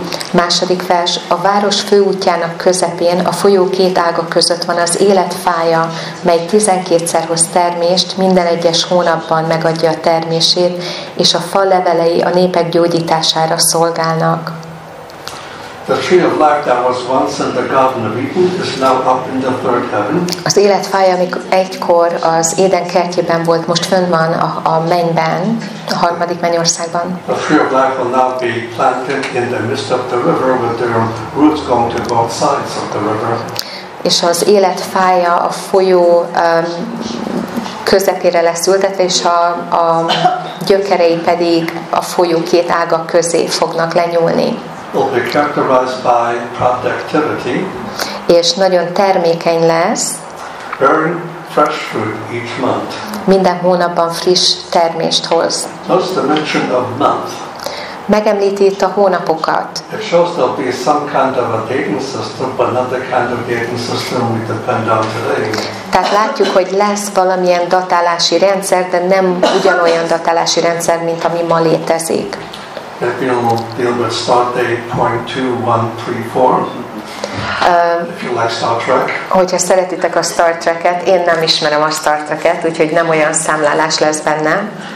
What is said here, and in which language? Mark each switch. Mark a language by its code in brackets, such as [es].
[hu] Második vers. A város főútjának közepén, a folyó két ága között van az életfája, mely 12-szer hoz termést, minden egyes hónapban megadja a termését, és a fa levelei a népek gyógyítására szolgálnak. [en] The tree of life that was once in the Garden of Eden is now up in the third heaven. [hu] Az életfája, ami egykor az Éden kertjében volt, most fönn van a mennyben, a harmadik mennyországban. [en] The tree of life will now be planted in the midst of the river, with their roots going to both sides of the river. [hu] És az életfája a folyó közepére lesz ültetve, és a gyökerei pedig a folyó két ága közé fognak lenyúlni. [en] characterized by prompt activity. [hu] És nagyon termékeny lesz. [en] Bearing fresh fruit each month. [hu] Minden hónapban friss termést hoz. [en] Notice the mention of month. [hu] Megemlíti itt a hónapokat. [en] It shows there'll be some kind of a dating system, but not the kind of dating system we depend on today. [hu] Tehát látjuk, hogy lesz valamilyen datálási rendszer, de nem ugyanolyan datálási rendszer, mint ami ma létezik. [en] If you deal with start date 2, 1, 3, 4. If you like Star Trek. [hu] Hogyha szeretitek a Star Trek-et, én nem ismerem a Star Trek-et, úgyhogy nem olyan számlálás lesz benne.